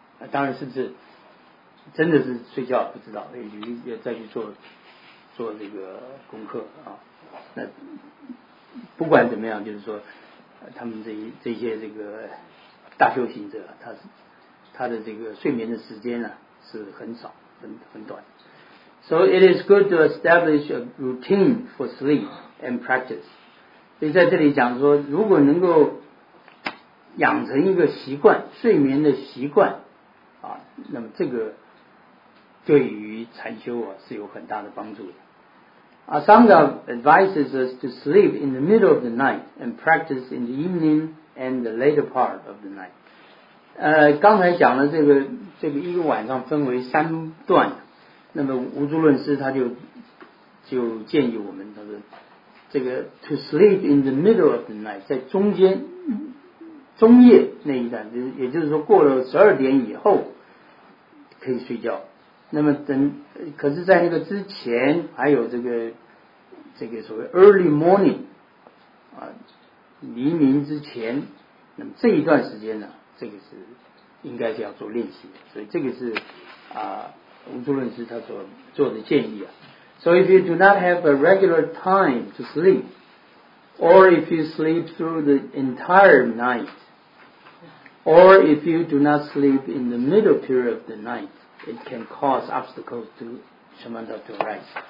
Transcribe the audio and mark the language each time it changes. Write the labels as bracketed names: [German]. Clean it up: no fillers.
[Chinese] 当然是不是真的是睡觉不知道，也许要再去做这个功课啊。那不管怎么样，就是说他们这些这个大修行者，他的这个睡眠的时间呢、是很少，很短。 [English] So it is good to establish a routine for sleep and practice. [Chinese] 所以在这里讲说，如果能够养成一个习惯，睡眠的习惯，那么这个对于禅修啊是有很大的帮助的。 [English] Some of the advice is to sleep in the middle of the night and practice in the evening and the later part of the night. [Chinese] 刚才讲了这个一个晚上分为三段，那么无著论师他就建议我们，他说这个 to sleep in the middle of the night，在中间中夜那一段，也就是说过了十二点以后可以睡觉。那么等，可是在那个之前还有这个所谓 early morning 啊，黎明之前，那么这一段时间呢，这个是应该是要做练习的，所以这个是啊，吴朱论师他所做的建议啊。 [English] So if you do not have a regular time to sleep, or if you sleep through the entire night, or if you do not sleep in the middle period of the night. It can cause obstacles to shamatha to arise.